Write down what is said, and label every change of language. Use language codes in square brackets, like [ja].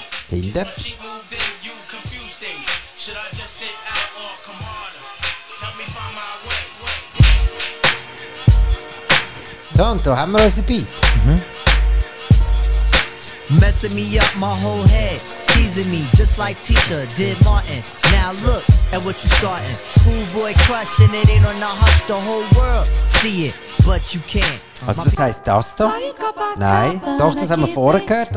[de] Hinde. So, und da haben wir unseren Beat. [en] Messing me up my whole head, teasing me just like Tita did Martin. Now look at what you starting. Schoolboy crushing it ain't on the hush, the whole world see it, but you can't. [de] Also das heisst das da? Nein, doch, das haben wir vorher gehört.